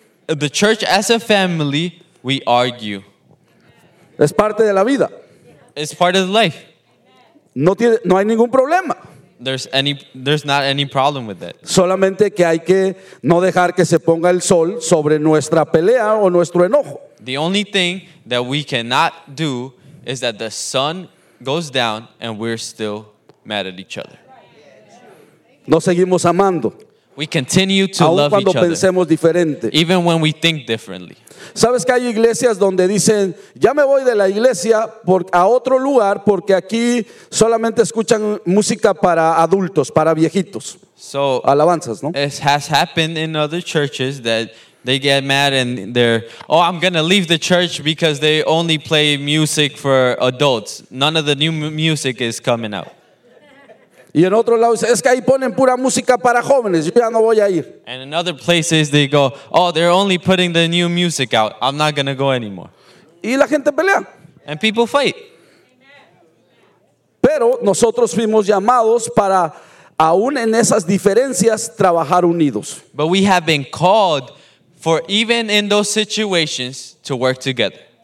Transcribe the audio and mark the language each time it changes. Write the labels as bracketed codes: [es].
[en] The church as a family we argue. [es] Es parte de la vida. [en] It's part of life. [es] No hay ningún problema. [en] There's not any problem with that. [es] Solamente que hay que no dejar que se ponga el sol sobre nuestra pelea o nuestro enojo. [en] The only thing that we cannot do is that the sun goes down and we're still mad at each other. [es] Nos seguimos amando. [en] We continue to love each other. [es] Pensemos diferente. [en] Even when we think differently. [es] ¿Sabes que hay iglesias donde dicen, ya me voy de la iglesia a otro lugar porque aquí solamente escuchan música para adultos, para viejitos? [en] So, [es] alabanzas, ¿no? [en] It has happened in other churches that they get mad and they're, oh, I'm going to leave the church because they only play music for adults. None of the new music is coming out. [es] Y en otro lado dice, es que ahí ponen pura música para jóvenes, yo ya no voy a ir. [en] And in other places they go, oh, they're only putting the new music out, I'm not going to go anymore. [es] Y la gente pelea. [en] And people fight. [es] Pero nosotros fuimos llamados para, aún en esas diferencias, trabajar unidos. [en] But we have been called for, even in those situations, to work together.